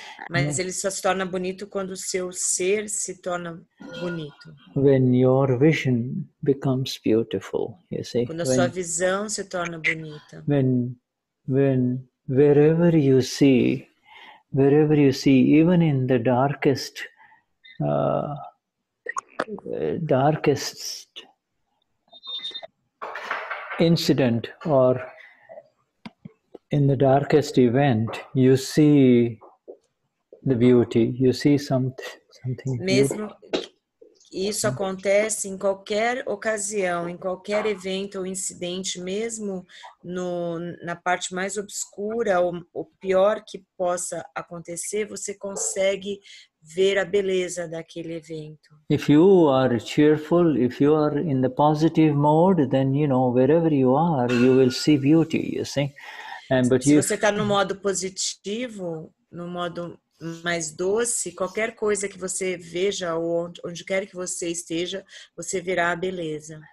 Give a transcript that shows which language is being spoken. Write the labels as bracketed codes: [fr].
[pt] Mas yeah. Ele só se torna bonito quando o seu ser se torna bonito. [en] When your vision becomes beautiful, you see? [pt] Quando a sua visão se torna bonita. [en] When wherever you see, even in the darkest incident or in the darkest event, you see the beauty, you see something mesmo beautiful. [pt] Isso acontece em qualquer ocasião, em qualquer evento ou incidente, mesmo no, na parte mais obscura ou pior que possa acontecer, você consegue ver a beleza daquele evento. [en] If you are cheerful, if you are in the positive mode, then you know wherever you are, you will see beauty, you see? And but [pt] se você está no modo positivo, no modo mais doce, qualquer coisa que você veja ou onde quer que você esteja, você verá a beleza.